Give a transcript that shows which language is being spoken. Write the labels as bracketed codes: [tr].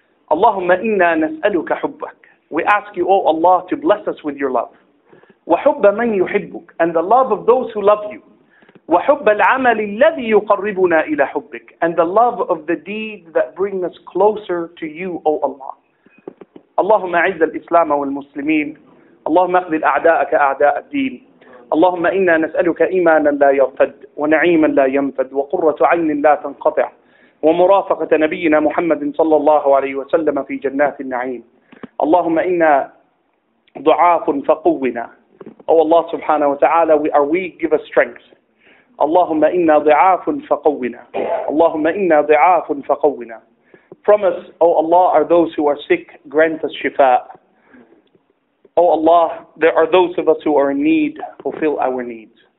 [ar] Allahumma inna nas'aluka hubbak. [en] We ask you, O Allah, to bless us with your love. [ar] وَحُبَّ مَنْ يُحِبُّكَ. [en] And the love of those who love you. [ar] وَحُبَّ الْعَمَلِ الَّذِي يُقَرِّبُنَا إِلَى حُبِّكَ. [en] And the love of the deed that brings us closer to you, O Allah. [ar] اللهم عز الإسلام والمسلمين. اللهم اقبل أعداءك أعداء الدين. اللهم إنا نسألك إيمانا لا يرتد ونعيما لا ينفد وقرة عين لا تنقطع ومرافقة نبينا محمد صلى الله عليه وسلم في جنات النعيم. اللهم إنا ضعاف فقونا. [en] O Allah subhanahu wa ta'ala, we are weak, give us strength. [ar] اللهم إنا ضعاف فقونا. اللهم إنا ضعاف فقونا. [en] From us, O Allah, are those who are sick, grant us shifa. O Allah, there are those of us who are in need, fulfill our needs.